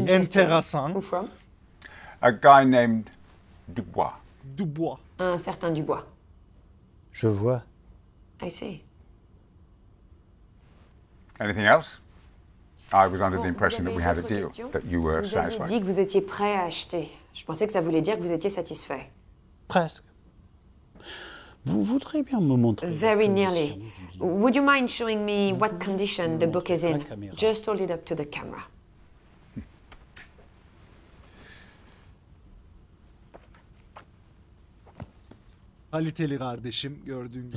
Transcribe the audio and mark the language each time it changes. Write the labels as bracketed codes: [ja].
[fr] Intéressant. [en] Who from? A guy named Dubois. Dubois. [fr] Un certain Dubois. Je vois. [en] I see. Anything else? I was under the impression that we had a deal, that you were satisfied. [fr] Vous avez dit que vous étiez prêt à acheter. Je pensais que ça voulait dire que vous étiez satisfait. Presque. Vous voudriez bien me montrer [en] Very nearly. Would you mind showing me what condition the book is in? Just hold it up to the camera. [tr] Kaliteli kardeşim, gördüğün gibi.